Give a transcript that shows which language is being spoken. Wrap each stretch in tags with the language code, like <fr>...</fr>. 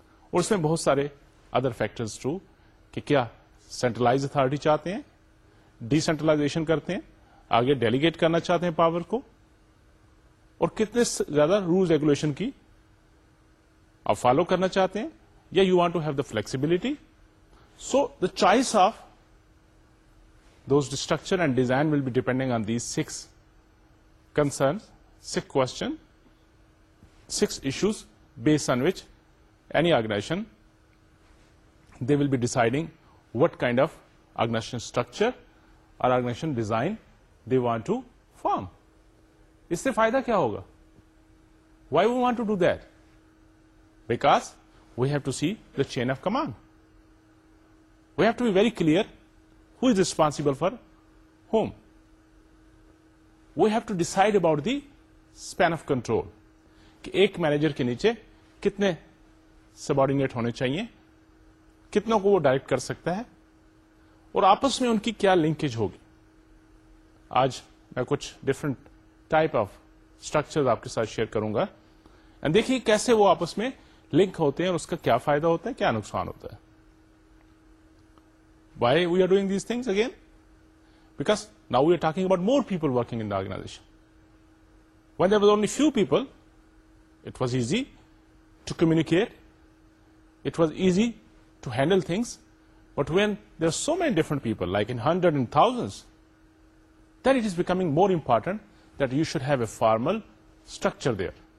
<ur>اور اس میں بہت سارے ادر فیکٹرز ٹو کہ کیا سینٹرلائز اتھارٹی چاہتے ہیں، ڈیسینٹرلائزیشن کرتے ہیں، آگے ڈیلیگیٹ کرنا چاہتے ہیں پاور کو، اور کتنے زیادہ رولز ریگولیشن کی آپ فالو کرنا چاہتے ہیں، یا</ur> <en>You want to have the flexibility. So the choice of those structure and design will be depending on these six concern, six question, six issues based on which any organization they will be deciding what kind of organization structure اور organization design they want to form.</en> <ur>اس سے فائدہ کیا ہوگا؟</ur> <en>Why we want to do that? Because we have to see the chain of command. We have to be very clear who is responsible for whom. We have to decide about the span of control.</en> <ur>کہ ایک manager کے نیچے کتنے subordinate ہونے چاہیے، کتنوں کو وہ direct کر سکتا ہے، اور آپس میں ان کی کیا لنکیج ہوگی. آج میں کچھ ڈفرنٹ ٹائپ آف اسٹرکچر آپ کے ساتھ شیئر کروں گا، اینڈ دیکھیے کیسے وہ آپس میں لنک ہوتے ہیں اور اس کا کیا فائدہ ہوتا ہے کیا نقصان ہوتا ہے.</ur> <en>Why we are doing these things again? Because now we are talking about more people working in the organization. When there was only few people, it was easy to communicate. It was easy to handle things. But when there are so many different people, like in hundreds and thousands, then it is becoming more important that you should have a formal structure there.</en>